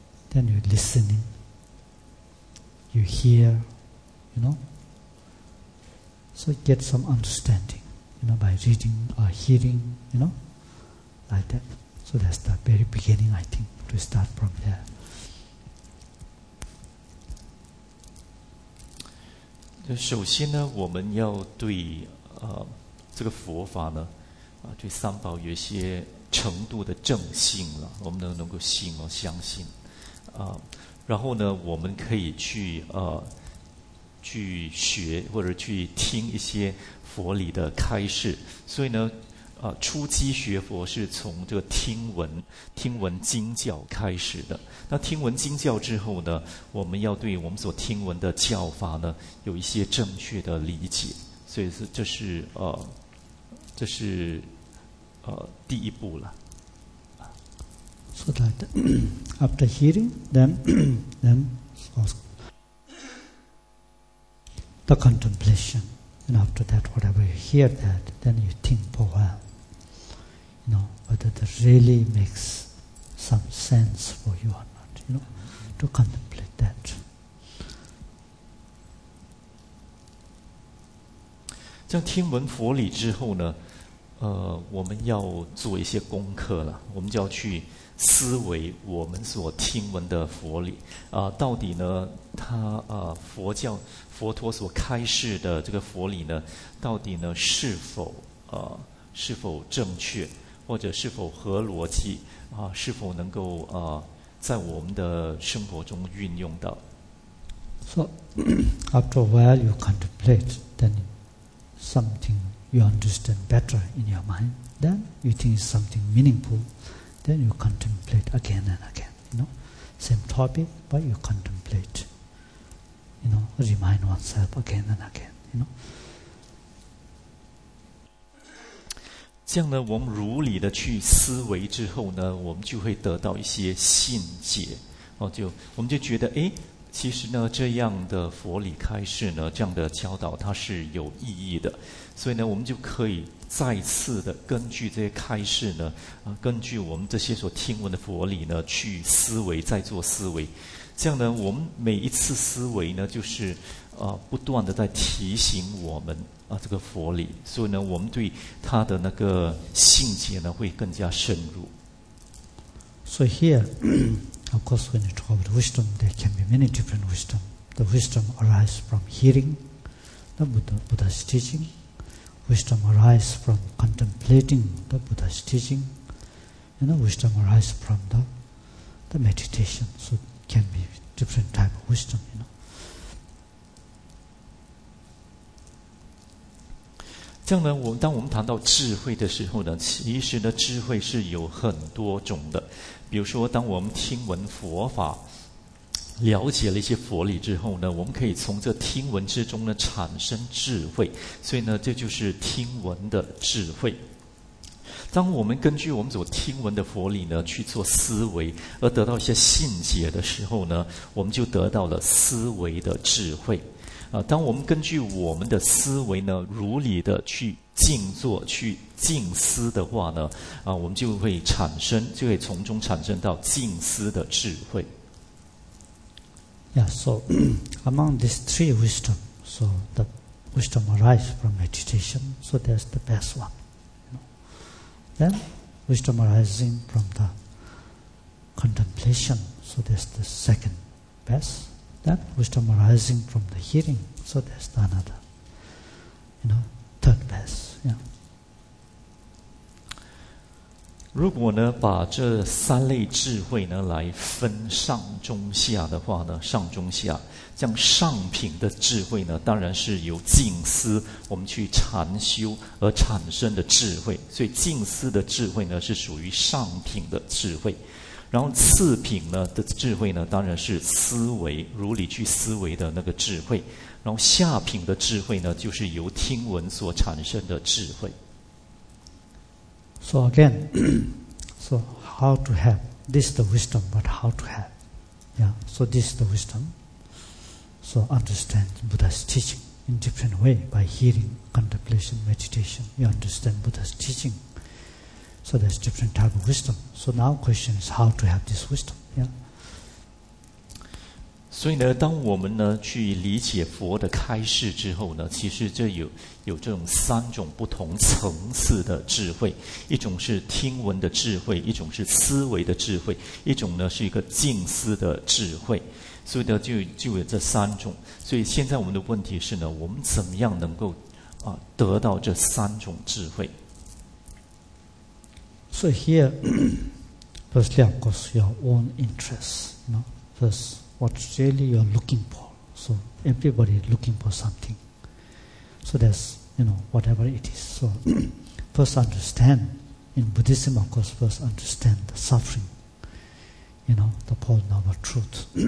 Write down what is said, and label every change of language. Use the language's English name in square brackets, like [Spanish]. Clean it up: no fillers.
[English] Then you listen in, you hear, you know. So get some understanding, you know, by reading or hearing, you know, like that. So that's the very beginning, I think, to start from there. [Chinese] So, 首先呢，我们要对这个佛法呢，对三宝有一些程度的正信了，我们能够信哦，相信，然后呢，我们可以去学或者去听一些佛理的开示，所以呢，初期学佛是从这个听闻经教开始的。那听闻经教之后呢，我们要对我们所听闻的教法呢，有一些正确的理解，所以这是第一步了。 [English] So that after hearing, then also the contemplation, and after that, whatever you hear that, then you think for a while, you know, whether that really makes some sense for you or not, you know, to contemplate that. [Chinese] 这样听闻佛理之后呢，我们要做一些功课了，我们就要去思维我们所听闻的佛理到底呢，他佛教佛陀所开示的这个佛理呢，到底呢是否正确，或者是否合逻辑是否能够在我们的生活中运用到。 [English] So after a while you contemplate, then something you understand better in your mind, then you think it's something meaningful. Then you contemplate again and again, you know, same topic, but you contemplate, you know, remind oneself again and again, you know. [Chinese] 这样呢，我们如理的去思维之后呢，我们就会得到一些信解，我们就觉得，哎，其实呢，这样的佛理开示呢，这样的教导它是有意义的，所以呢，我们就可以再次的根据这些开示呢，根据我们这些所听闻的佛理呢，去思维，再做思维，这样呢，我们每一次思维呢，就是不断的在提醒我们这个佛理，所以呢，我们对它的那个信解呢，会更加深入。 [English] So here, of course, when you talk about wisdom, there can be many different wisdom. The wisdom arises from hearing the Buddha's teaching. Wisdom arises from contemplating the Buddha's teaching. You know, wisdom arises from the meditation. So it can be different type of wisdom, you know. [Chinese] 这样呢，当我们谈到智慧的时候呢，其实呢，智慧是有很多种的。比如说，当我们听闻佛法，了解了一些佛理之后呢，我们可以从这听闻之中呢产生智慧，所以呢，这就是听闻的智慧。当我们根据我们所听闻的佛理呢去做思维，而得到一些信解的时候呢，我们就得到了思维的智慧。当我们根据我们的思维呢，如理的去静坐、去静思的话呢，我们就会产生，就会从中产生到静思的智慧。 [English] Yeah, so among these three wisdom, so the wisdom arises from meditation, so that's the best one. You know. Then wisdom arising from the contemplation, so that's the second best. Then wisdom arising from the hearing, so that's the another, you know, third best. Yeah. [Chinese] 如果呢把这三类智慧呢来分上中下的话呢，上中下，像上品的智慧呢，当然是由静思我们去禅修而产生的智慧，所以静思的智慧呢是属于上品的智慧。然后次品呢的智慧呢，当然是思维，如理去思维的那个智慧。然后下品的智慧呢，就是由听闻所产生的智慧。 [English] So again, so how to have? This is the wisdom, but how to have? Yeah, so this is the wisdom. So understand Buddha's teaching in different way by hearing, contemplation, meditation. You understand Buddha's teaching. So there's different type of wisdom. So now question is how to have this wisdom? Yeah. [Chinese] 所以呢，当我们呢去理解佛的开示之后呢，其实这有这种三种不同层次的智慧，一种是听闻的智慧，一种是思维的智慧，一种呢是一个静思的智慧。所以呢，就有这三种。所以现在我们的问题是呢，我们怎么样能够啊得到这三种智慧 [English] ？So here, firstly, of course, your own interests, no, first. What really you're looking for. So everybody is looking for something. So that's, you know, whatever it is. So first understand, in Buddhism, of course, first understand the suffering, you know, the Pole Noble Truth.